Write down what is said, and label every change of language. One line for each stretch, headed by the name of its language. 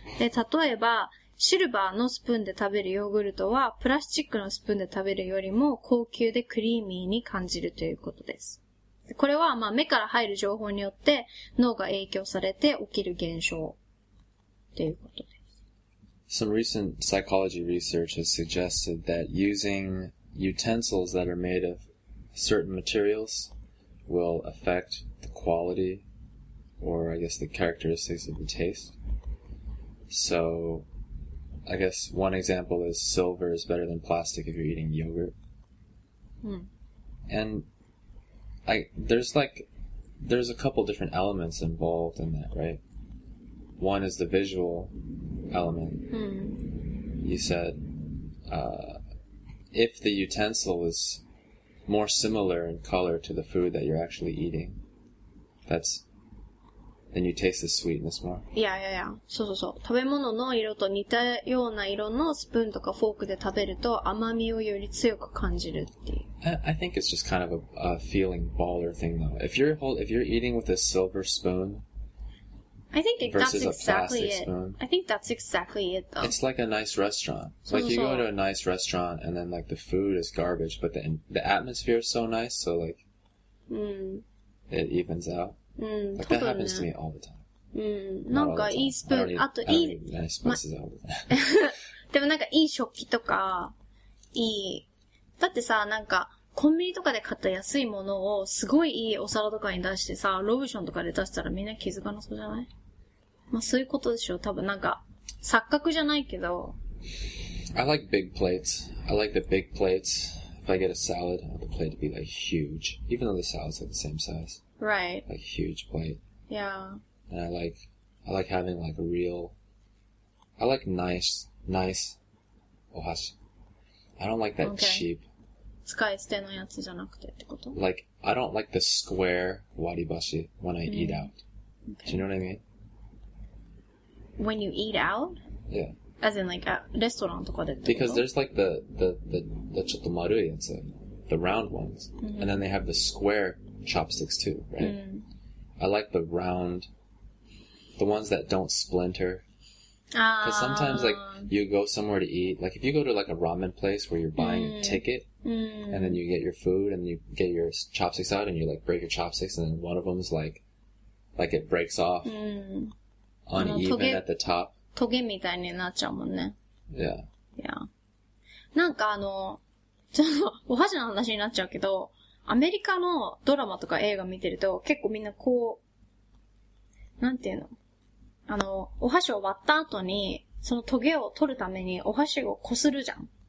Japanese: で、例えば、シルバーのスプーンで食べるヨーグルトは、プラスチックのスプーンで食べるよりも高級でクリーミーに感じるということです。で、これは、まあ、目から入る情報によって脳が影響されて起きる現象ということです。
English: Some recent psychology research has suggested that using utensils that are made of certain materials will affect the quality or, I guess, the characteristics of the taste. So, I guess one example is silver is better than plastic if you're eating yogurt. And there's a couple different elements involved in that, right? One is the visual element. You said if the utensil is more similar in color to the food that you're actually eating, then you taste the sweetness more. Yeah, yeah, yeah.
Japanese: そうそうそう。食べ物の色と似たような色のスプーンとかフォークで食べると甘みをより強く感じるっていう。
English: I think it's just kind of a feeling baller thing though. If you're eating with a silver spoon, I think that's exactly it, though. It's like a nice restaurant. So, like, you go to a nice restaurant, and then, like, the food is garbage, but the atmosphere is so nice, so, like, it evens out. Like, that happens to me all the time. Not all the time. I don't eat nice places all the time.
Japanese: でもなんかいい食器とか、いい、だってさ、なんか、コンビニとかで買った安いものをすごいいいお皿とかに出してさ、ロブションとかで出したらみんな気づかなそうじゃない？まあそういうことでしょう。多分なんか錯覚じゃないけど。
English: I like big plates. I like the big plates. If I get a salad, I want the plate to be like huge. Even though the salad's like the same size. Right. Like huge plate. Yeah. And I like having like a real... I like nice ohashi. I don't like that cheap...
Japanese: 使い捨てのやつじゃなくてってこと?
English: Like, I don't like the square waribashi when I eat out. Okay. Do you know what I mean? When you eat out? Yeah. As in, like, at restaurant
Japanese: とかでってこと?
English: Because there's, like, the
Japanese: ちょっと丸いやつ。
English: the round ones. Mm-hmm. And then they have the square chopsticks too, right? Mm. I like the round, the ones that don't splinter. Because sometimes, like, you go somewhere to eat. Like, if you go to, like, a ramen place where you're buying a ticket, and then you get your food, and you get your chopsticks out, and you, like, break your chopsticks, and then one of them's, like it breaks off uneven at the top.
Japanese: トゲみたいになっちゃうもんね。
English: Yeah. Yeah.
Japanese: なんか、ちょっと、お箸の話になっちゃうけど、 アメリカのドラマとか映画見てると、結構みんな、なんていうの、お箸を割った後に、そのトゲを取るために、お箸を擦るじゃん。